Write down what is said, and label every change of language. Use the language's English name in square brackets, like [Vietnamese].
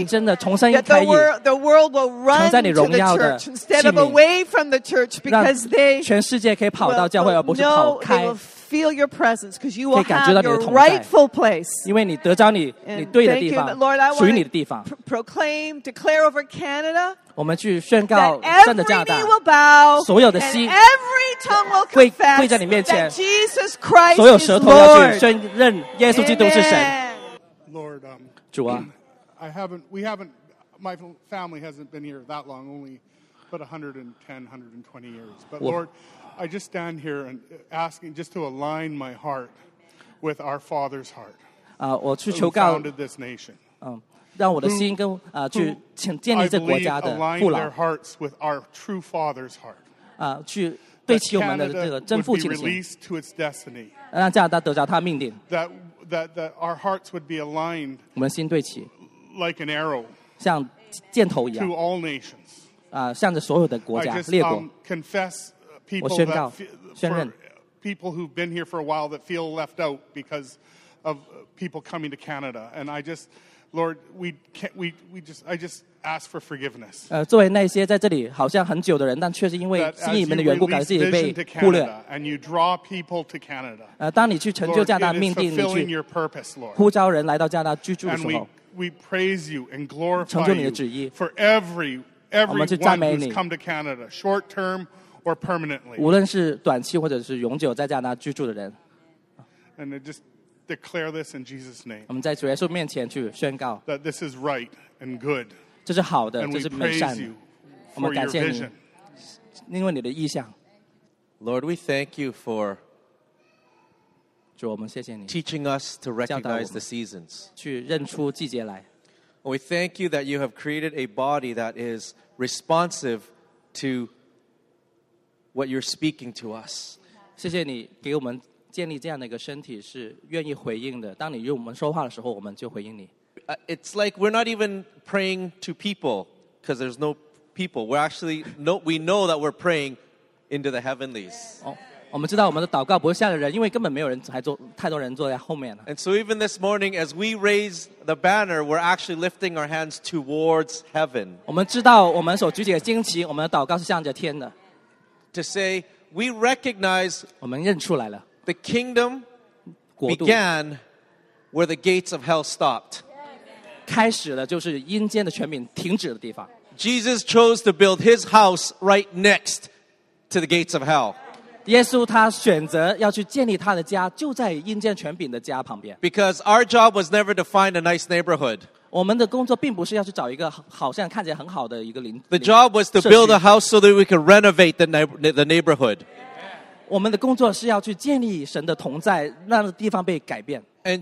[English] That the world will run to the church instead of away from the church because they will know they will feel your presence because you will have your rightful place. And thank you, that Lord, I want to proclaim, declare over Canada that every knee will bow and every tongue will confess [Chinese] 会在你面前, [English] that Jesus Christ [Chinese] 所有舌头要去宣认耶稣基督是神。 [English] Lord, [Chinese] 主啊, [English] my family hasn't been here that long, only about 110, 120 years. But Lord, I just stand here and asking just to align my heart with our Father's heart who founded this nation. [Chinese] 让我的心跟去请建立这国家的父老 [English] their hearts with our true father's heart. [Chinese] 去对齐我们的这个真父亲的心让加拿大得着他的命令 [English] that our hearts would be aligned [Chinese] 我们心对齐 [English] like an arrow [Chinese] 像箭头一样 [English] to all nations. [Chinese] 向着所有的国家 列国 [English] confess people [Chinese] 我宣告 宣认 [English] people who've been here for a while that feel left out because of people coming to Canada and I just Lord, we just I just ask for forgiveness. [Chinese] 作为那些在这里好像很久的人，但却是因为信你们的缘故，感谢也被忽略。 [English] And you draw people to Canada. [Chinese] 当你去成就加拿大命定，去呼召人来到加拿大居住的时候， [English] we praise you and glorify you for everyone who's come to Canada, short term or permanently. [Chinese] 无论是短期或者是永久在加拿大居住的人。 [English] And I just declare this in Jesus' name. [Chinese] 我们在主耶稣面前去宣告。 [English] That this is right and good. [Chinese] 这是好的, [English] and we praise you for your vision. [Chinese] 因为你的意向。 [English] Lord, we thank you for [Chinese] 主，我们谢谢你, [English] teaching us to recognize the seasons. [Chinese] 去认出季节来。 [English] We thank you that you have created a body that is responsive to what you're speaking to us. [Chinese] 谢谢你给我们 建立这样的一个身体是愿意回应的。当你与我们说话的时候，我们就回应你。 [English] It's like we're not even praying to people because there's no people. We're actually no. We know that we're praying into the heavenlies. [Chinese] 我们知道我们的祷告不会向着人，因为根本没有人还坐，太多人坐在后面了。 [English] And so even this morning, as we raise the banner, we're actually lifting our hands towards heaven. [Chinese] 我们知道我们所举起的旌旗，我们的祷告是向着天的。 [English] To say we recognize. [Chinese] 我们认出来了。 [English] The kingdom began where the gates of hell stopped. [Chinese] 开始的就是阴间的权柄停止的地方。 [English] Jesus chose to build his house right next to the gates of hell. [Chinese] 耶稣他选择要去建立他的家就在阴间权柄的家旁边。 [English] Because our job was never to find a nice neighborhood. [Chinese] 我们的工作并不是要去找一个好像看起来很好的一个邻居。 [English] The job was to build a house so that we could renovate the neighborhood. [Chinese] 我们的工作是要去建立神的同在，让地方被改变。 [English] And